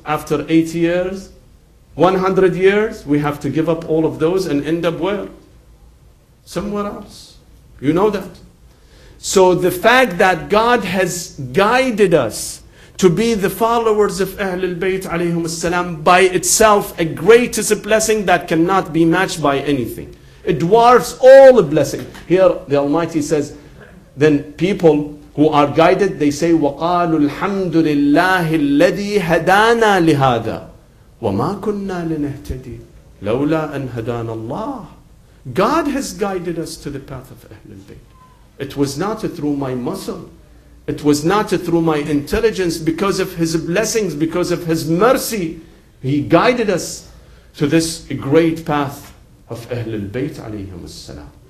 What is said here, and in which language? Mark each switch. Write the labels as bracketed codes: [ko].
[en] After 8 years, 100 years, we have to give up all of those and end up where? Somewhere else. You know that. So the fact that God has guided us to be the followers of Ahlul Bayt alayhim as-salam by itself, a greatest blessing that cannot be matched by anything. It dwarfs all the blessing. Here the Almighty says, then people who are guided, they say, [ar] وَقَالُوا الْحَمْدُ لِلَّهِ الَّذِي هَدَانَا لِهَذَا وَمَا كُنَّا لِنَهْتَدِي لَوْلَا أَنْ هَدَانَ اللَّهِ. [en] God has guided us to the path of Ahlul Bayt. It was not through my muscle. It was not through my intelligence. Because of His blessings, because of His mercy, He guided us to this great path of Ahlul Bayt alayhim as-salam.